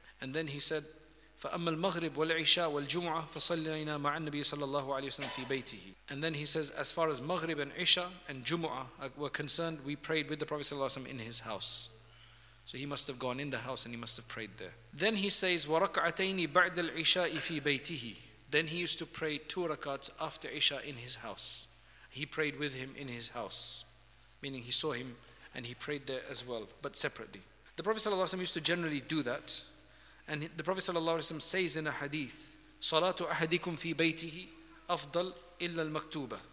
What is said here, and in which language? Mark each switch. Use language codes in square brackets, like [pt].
[en] And then he said, [ar] فَأَمَّا الْمَغْرِبُ وَالْعِشَاءُ وَالْجُمُعَةُ فَصَلِّيْنَا مَعَ النَّبِيِّ صَلَّى اللَّهُ عَلَيْهِ وَسَلَّمَ فِي بَيْتِهِ. [en] And then he says, as far as Maghrib and Isha and Jumu'ah were concerned, we prayed with the Prophet ﷺ in his house. So he must have gone in the house and he must have prayed there. Then he says, [ar] وَرَكْعَتَيْنِ بَعْدَ الْعِشَاءِ فِي بَيْتِهِ. [en] Then he used to pray two rakats after Isha in his house. He prayed with him in his house, meaning he saw him and he prayed there as well, but separately. The Prophet ﷺ used to generally do that. And the Prophet sallallahu alaihi wasallam says in a hadith, [ar] "Salatu ahadikum fi baytihi afdal illa al-maktuba."